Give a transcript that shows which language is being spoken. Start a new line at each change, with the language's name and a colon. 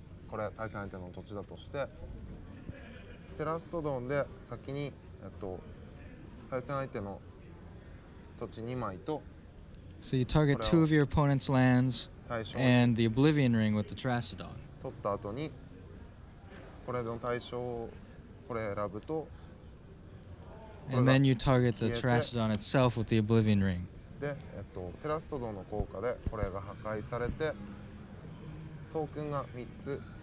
Japanese: これ対戦相手の土地だとして、テラストドンで先に、対戦相手の土地2枚と
English: So you target two of your opponent's lands and the Oblivion Ring with the Terastodon.
Japanese: 取った後にこれの対象をこれ選ぶと
English: And then you target the Terastodon itself with the Oblivion Ring.
Japanese: で、テラストドンの効果でこれが破壊されてトークンが3つ